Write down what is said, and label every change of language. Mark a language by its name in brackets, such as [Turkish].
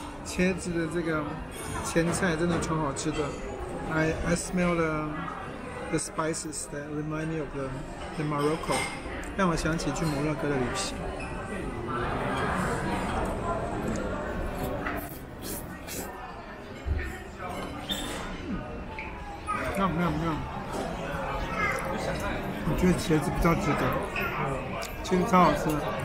[Chinese] 茄子的这个前菜真的超好吃的。 [English] I smell the spices that remind me of the Morocco. [Chinese] 让我想起去摩洛哥的旅行。我觉得茄子比较值得，茄子超好吃的。